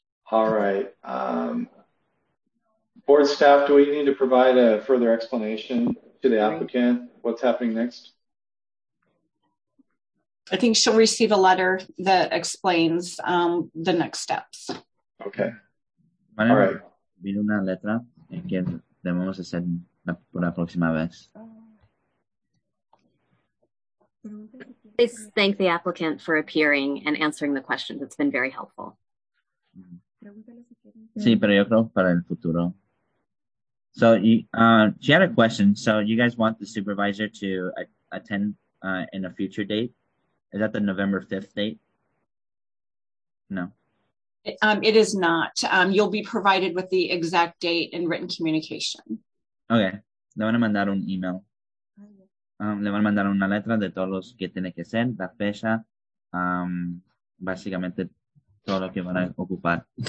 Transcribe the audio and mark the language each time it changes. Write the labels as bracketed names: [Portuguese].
[English] All right. Board staff, do we need to provide a further explanation to the applicant? What's happening next? I think she'll receive a letter that explains the next steps. Okay. All right. [Spanish] Vi una letra en que debemos hacer por la próxima vez. [English] Please thank the applicant for appearing and answering the questions. It's been very helpful. [Spanish] Sí, pero yo creo para el futuro. [English] So she had a question. So you guys want the supervisor to attend in a future date? Is that the November 5th date? No. It is not. You'll be provided with the exact date and written communication. [Spanish] Okay. Le van a mandar un email. Le van a mandar una letra de todos los que tiene que ser, la fecha, básicamente todo lo que van a ocupar.